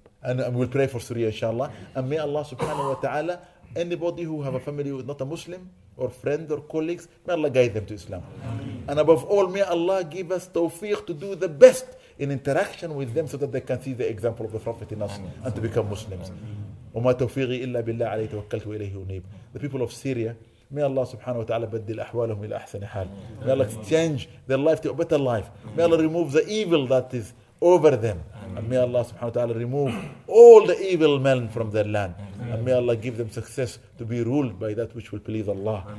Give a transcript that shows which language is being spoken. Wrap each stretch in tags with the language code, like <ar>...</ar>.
<en>And we'll pray for Syria, inshallah. And may Allah subhanahu wa ta'ala, anybody who have a family who is not a Muslim, or friend or colleagues, may Allah guide them to Islam. Ameen. And above all, may Allah give us tawfiq to do the best in interaction with them so that they can see the example of the Prophet in us. Ameen. And to become Muslims.</en> <ar>وما توفيقي إلا بالله عليه توكلت وإليه أنيب.</ar> <en>The people of Syria, may Allah subhanahu wa ta'ala</en> <ar>بدل أحوالهم إلى أحسن حال.</ar> <en>May Allah change their life to a better life. May Allah remove the evil that is over them. And may Allah subhanahu wa ta'ala remove all the evil men from their land. And may Allah give them success to be ruled by that which will please Allah.</en>